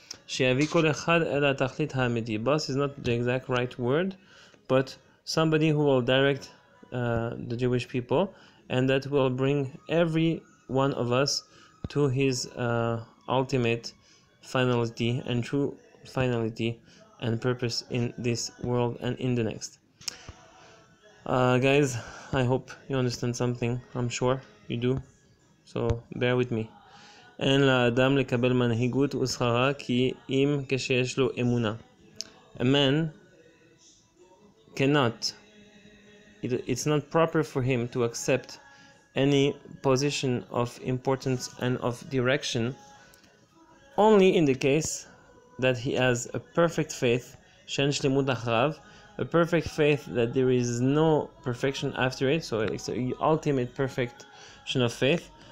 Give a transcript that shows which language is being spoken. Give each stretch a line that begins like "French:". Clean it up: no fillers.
Hebrew: She'avi kol echad ela tachlit ha'amidi.
English: Boss is not the exact right word, but somebody who will direct the Jewish people, and that will bring every one of us to his ultimate finality and true finality and purpose in this world and in the next. Guys, I hope you understand something. I'm sure you do. So bear with me.
Hebrew: אין לאדם לקבל מנהיגות וסחרה כי אם כשיש לו אמונה.
English: A man cannot, it's not proper for him to accept any position of importance and of direction only in the case that he has a perfect faith,
Hebrew: שאין שלמות אחריו,
English: a perfect faith that there is no perfection after it, so it's the ultimate perfection of faith.